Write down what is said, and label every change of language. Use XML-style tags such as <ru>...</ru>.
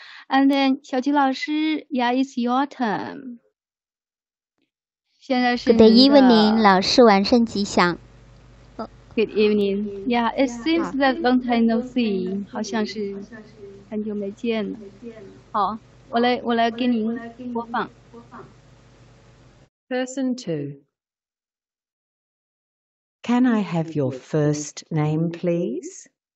<en>And then, 小菊老师 ，Yeah, it's your turn.</en> <zh>现在是</zh> <en>Good evening,</en> <zh>老师，晚上吉祥。</zh> <en>Good evening. Yeah, it seems that long time no see.</en> <zh>好像是很久没见了。好，我来给您播放。</zh> <en>Person two. Can I have your first name, please?</en>